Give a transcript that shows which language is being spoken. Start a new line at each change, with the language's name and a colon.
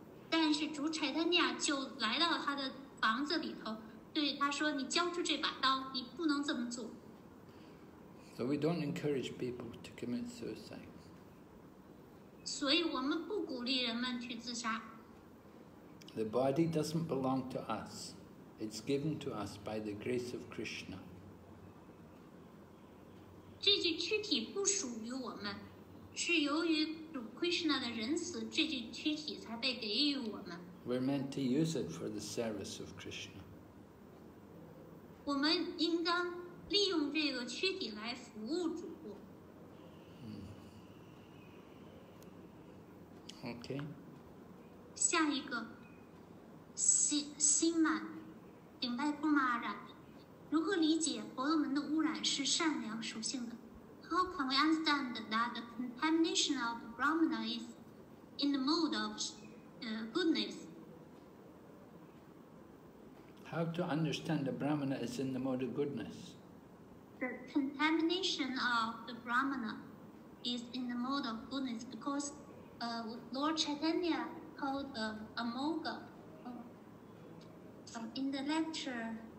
Chinese: 但是主柴丹尼亚就来到他的房子里头，对他说：“你交出这把刀，你不能这么做。”
English: So we don't encourage people to commit suicide.
Chinese: 所以我们不鼓励人们去自杀。
English: The body doesn't belong to us; it's given to us by the grace of Krishna.
Chinese: 这具躯体不属于我们。是由于主 Krishna 的仁慈，这具躯体才被给予我们。
English: We're meant to use it for the service of Krishna.
Chinese: 我们应当利用这个躯体来服务主。
English: Okay.
Chinese: 下一个，心满，顶拜布玛染。如何理解婆罗门的污染是善良属性的？
English: How can we understand that the contamination of Brahmana is in the mode of goodness? How to understand the Brahmana is in the mode of goodness? The contamination of the Brahmana is in the mode of goodness because Lord Chaitanya called the Amoga in the lecture.